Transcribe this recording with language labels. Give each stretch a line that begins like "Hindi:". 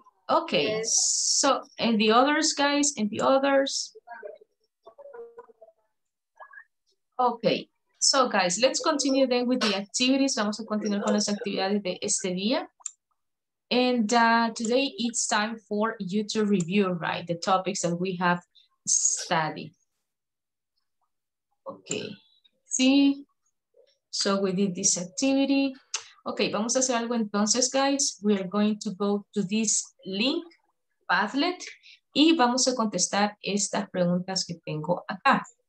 English: Okay, so, and the others, guys, and the others. Okay, so, guys, let's continue then with the activities.
Spanish: Vamos a continuar con las actividades de este día.
English: And today it's time for you to review, right, the topics that we have studied. Okay, see? So we did this activity.
Spanish: Okay, vamos a hacer algo entonces, guys.
English: We are going to go to this link,
Spanish: Padlet, y vamos a contestar estas preguntas que tengo acá.